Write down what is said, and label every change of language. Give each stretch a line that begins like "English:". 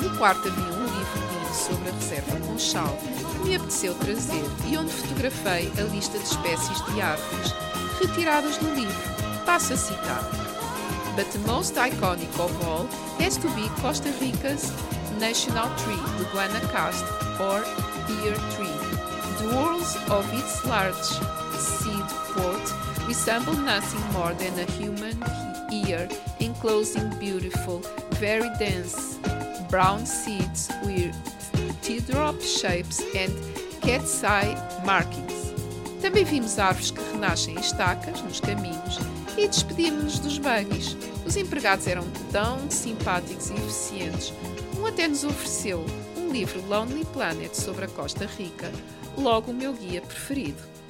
Portuguese: No quarto havia um livro lindo sobre a reserva Conchal, que me apeteceu trazer e onde fotografei a lista de espécies de árvores retiradas do livro. Passo a citar.
English: But the most iconic of all has to be Costa Rica's National Tree, the Guanacaste, or Pear Tree. The whorls of its large seed pod resemble nothing more than a human ear enclosing beautiful, very dense brown seeds with teardrop shapes and cat's eye markings.
Portuguese: Também vimos árvores que renascem em estacas nos caminhos e despedimos-nos dos buggies. Os empregados eram tão simpáticos e eficientes. Um até nos ofereceu um livro Lonely Planet sobre a Costa Rica, logo o meu guia preferido.